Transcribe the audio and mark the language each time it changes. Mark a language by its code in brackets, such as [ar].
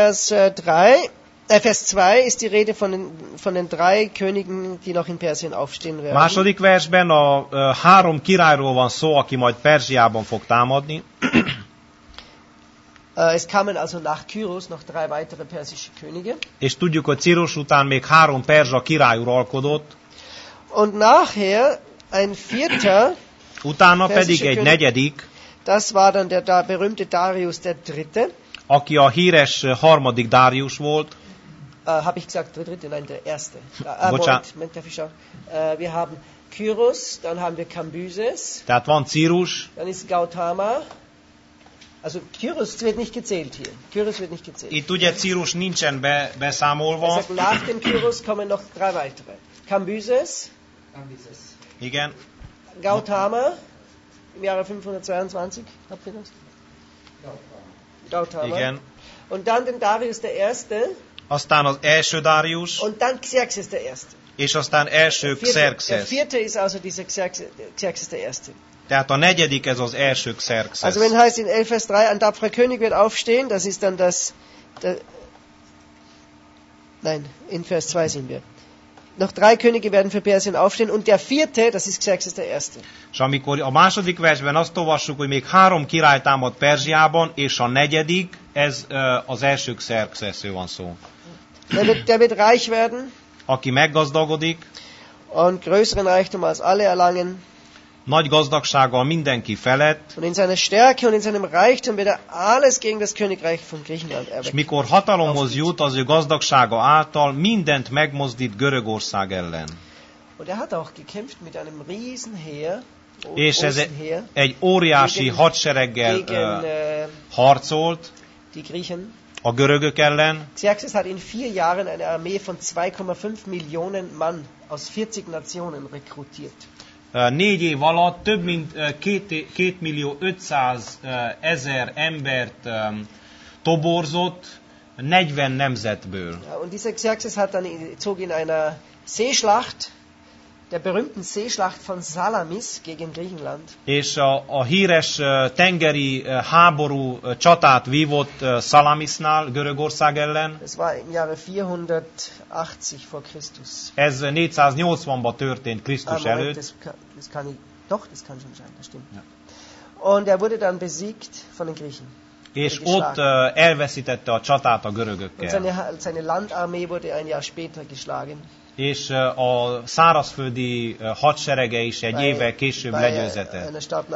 [de] In Vers 2 ist die Rede von den drei Königen, die noch in Persien aufstehen werden. [hu] Második versben a három királyról van szó, aki majd Perzsiában fog támadni. [de] Es kamen also nach Kyros noch drei weitere persische Könige. [hu] És tudjuk, hogy Cyrus után még három perzsa király uralkodott. [de] Und nachher ein vierter. [hu] Utána pedig egy negyedik. [de] Das war dann der berühmte Darius der Dritte. [hu] Aki a híres harmadik Darius volt. [de] Habe ich gesagt, der Erste. Moment, darf ich schauen. Wir haben Kyros, dann haben wir Kambyses. [hu] Tehát van Cyrus. [de] Dann ist Gautama. Also Kyros wird nicht gezählt hier. Kyros wird nicht gezählt. [hu] Itt ugye Cyrus nincsen beszámolva. [de] Sagt, nach dem Kyros kommen noch drei weitere. Kambyses. [hu] Igen. [de] Gautama. Im Jahre 522, habt ihr das? [hu] Igen. [de] Und dann den Darius der Erste. [hu] Aztán az első Darius. [de] Und dann Xerxes der Erste. [hu] És aztán első Xerxes. [de] Der vierte ist also dieser Xerxes der Erste. [hu] Tehát a negyedik ez az első Xerxes. [de] Also wenn heißt in 11 Vers 3, ein tapferer König wird aufstehen, das ist dann das... Nein, in Vers 2 sind wir. noch drei Könige werden für Persien aufstehen und der vierte, das ist Xerxes der Erste. [hu] És amikor a második versben azt olvassuk, hogy még három király támad Perzsiában, és a negyedik, ez az első Xerxesről van szó. [de] Der wird reich werden, [hu] aki meggazdagodik, [de] und größeren Reichtum als alle erlangen, [hu] nagy gazdagsággal mindenki felett, [de] und in seiner Stärke und in seinem Reichtum wird er alles gegen das Königreich von Griechenland erwecken. [hu] És mikor hatalomhoz jut, az ő gazdagsága által mindent megmozdít Görögország ellen. [de] Und er hat auch gekämpft mit einem riesen Heer, [hu] és ez egy óriási [de] gegen, [hu] hadsereggel gegen, harcolt [de] die Griechen. [hu] A görögök ellen. [de] Xerxes hat in vier Jahren eine Armee von 2,5 Millionen Mann aus 40 Nationen rekrutiert. [hu] Négy év alatt több mint 2.500.000 embert toborzott 40 nemzetből. [de] Ja, und dieser Xerxes hat dann zog in einer Seeschlacht, der berühmten Seeschlacht von Salamis gegen Griechenland. [hu] És a híres tengeri háború csatát vívott Salamisnál Görögország ellen. [de] Es war im Jahre 480 vor Christus. [hu] Ez 480-ban történt Krisztus előtt. [de] Das kann schon sein, das stimmt. Ja. Und er wurde dann besiegt von den Griechen. [hu] És ott elveszítette a csatát a görögökkel. [de] Seine Landarmee wurde ein Jahr später geschlagen. [hu] És a szárazföldi hadserege is egy évvel később legyőzetett.